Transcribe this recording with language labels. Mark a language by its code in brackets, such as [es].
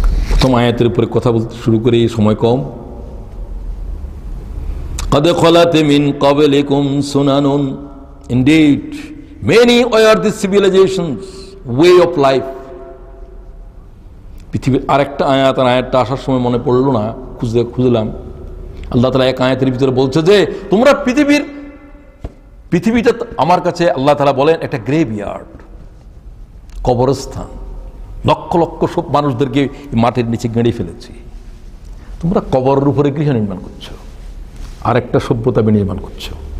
[bn] প্রথম আয়াতের উপরে কথা বলতে শুরু করি, সময় কম। [ar] قَدْ خَلَتْ مِن قَبْلِكُمْ سُنَنٌ, [en] indeed many were the civilizations way of life. [bn] পৃথিবীর আরেকটা আয়াত, আর আয়াতটা আসার সময় মনে পড়লো না, খুঁজতে খুঁজলাম। আল্লাহ তাআলা এক আয়াতের ভিতরে বলছে যে তোমরা পৃথিবীর, পৃথিবীটা আমার কাছে আল্লাহ তাআলা বলেন একটা গ্রেভিয়ার্ড, কবরস্থান, লক্ষ লক্ষ সব মানুষদেরকে মাটির নিচে গেঁড়ে ফেলেছি, তোমরা কবরের উপরে গৃহ নির্মাণ করছো, আরেকটা সভ্যতা নির্মাণ করছো।